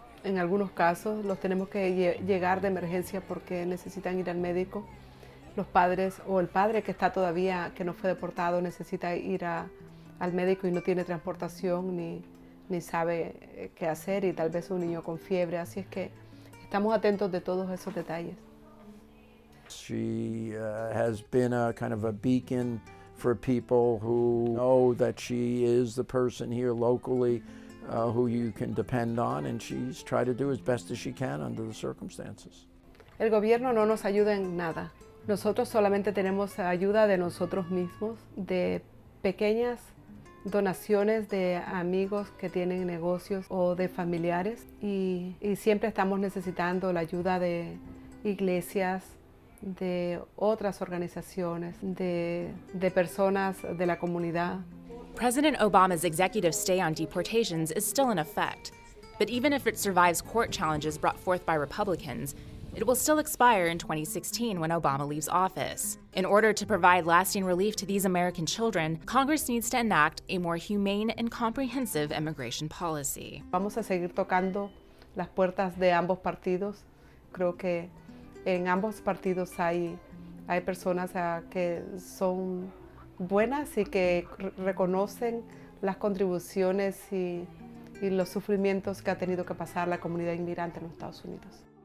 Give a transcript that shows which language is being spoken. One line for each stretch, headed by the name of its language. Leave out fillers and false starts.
Spanish: En algunos casos los tenemos que llegar de emergencia porque necesitan ir al médico. Los padres o el padre que está todavía, que no fue deportado, necesita ir al médico y no tiene transportación ni sabe qué hacer y tal vez un niño con fiebre. Así es que estamos atentos de todos esos detalles.
English: She has been a kind of a beacon for people who know that she is the person here locally who you can depend on, and she's tried to do as best as she can under the circumstances.
Spanish: El gobierno no nos ayuda en nada. Nosotros solamente tenemos ayuda de nosotros mismos, de pequeñas donaciones de amigos que tienen negocios o de familiares, y siempre estamos necesitando la ayuda de iglesias, de otras organizaciones, de personas de la comunidad.
English: President Obama's executive stay on deportations is still in effect, but even if it survives court challenges brought forth by Republicans, it will still expire in 2016 when Obama leaves office. In order to provide lasting relief to these American children, Congress needs to enact a more humane and comprehensive immigration policy.
Spanish: Vamos a seguir tocando las puertas de ambos partidos. Creo que en ambos partidos hay personas que son buenas y que reconocen las contribuciones y los sufrimientos que ha tenido que pasar la comunidad inmigrante en los Estados Unidos.